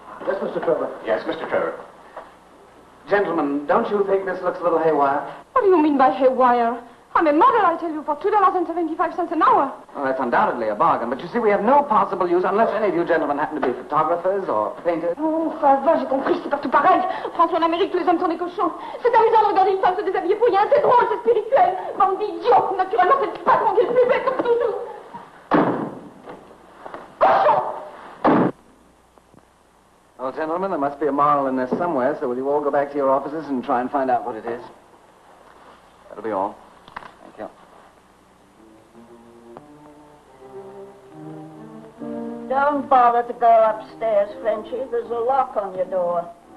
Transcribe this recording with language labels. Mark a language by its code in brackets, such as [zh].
[en] Yes, Mr. Trevor. Yes, Mr. Trevor. Gentlemen, don't you think this looks a little haywire? What do you mean by haywire? I'm a model, I tell you, for $2.75 an hour. Well, that's undoubtedly a bargain. But you see, we have no possible use unless any of you gentlemen happen to be photographers or painters. [fr] Oh, for a verge, j'ai compris, c'est partout pareil. François en Amérique, tous les hommes sont des cochons. C'est amusant de regarder une femme se déshabiller pour rien. C'est drôle, c'est spirituel. Bande d'idiots, naturellement, c'est le patron qui est le plus bête, comme toujours. Cochon! [en] Well, gentlemen, there must be a moral in this somewhere, so will you all go back to your offices and try and find out what it is? That'll be all. Don't bother to go upstairs, Frenchie. There's a lock on your door.